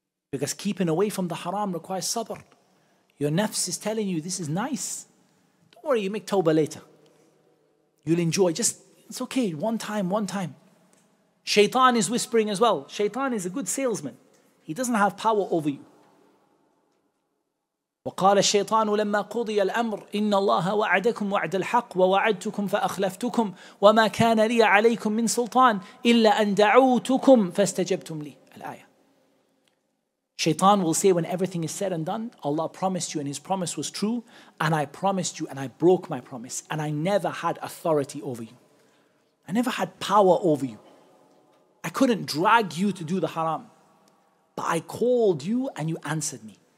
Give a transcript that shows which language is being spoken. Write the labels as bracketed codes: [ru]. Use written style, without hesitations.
[en] Because keeping away from the haram requires sabr. Your nafs is telling you this is nice. Don't worry, you make tawbah later. You'll enjoy. Just, it's okay, one time, one time. Shaytan is whispering as well. Shaytan is a good salesman. He doesn't have power over you. [ar] وقال الشيطان لما قضي الأمر إن الله وعدكم وعد الحق ووعدتكم فأخلفتكم وما كان لي عليكم من سلطان إلا أن دعوتكم فاستجبتم لي. الآية. [en] Shaytan will say, when everything is said and done, Allah promised you and His promise was true, and I promised you and I broke my promise, and I never had authority over you. I never had power over you. I couldn't drag you to do the haram, but I called you and you answered me.